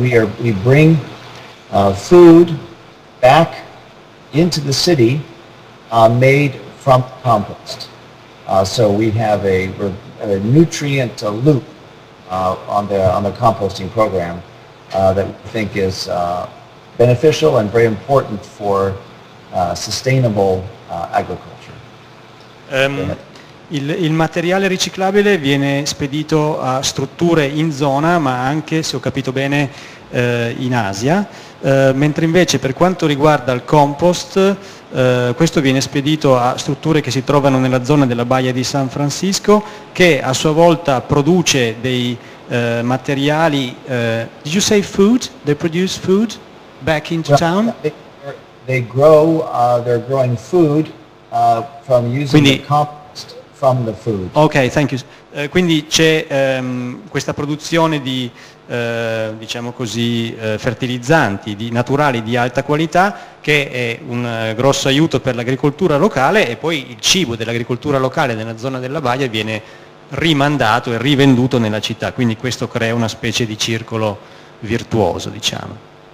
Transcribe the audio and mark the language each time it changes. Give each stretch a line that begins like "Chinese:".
English: We bring food back into the city made from compost. So we have a nutrient loop on the composting program that we think is beneficial and very important for sustainable agriculture.
Italian: Il materiale riciclabile viene spedito a strutture in zona, ma anche, se ho capito bene, in Asia, mentre invece per quanto riguarda il compost, questo viene spedito a strutture che si trovano nella zona della Baia di San Francisco, che a sua volta produce dei materiali.
English: Did you say food? They produce food back into town? They grow, they're growing food from using the compost from the food. Okay, thank you.
Italian: Quindi c'è questa produzione di, diciamo così, fertilizzanti di naturali di alta qualità, che è un grosso aiuto per l'agricoltura locale, e poi il cibo dell'agricoltura locale nella zona della Baia viene rimandato e rivenduto nella città, quindi questo crea una specie di circolo virtuoso, diciamo.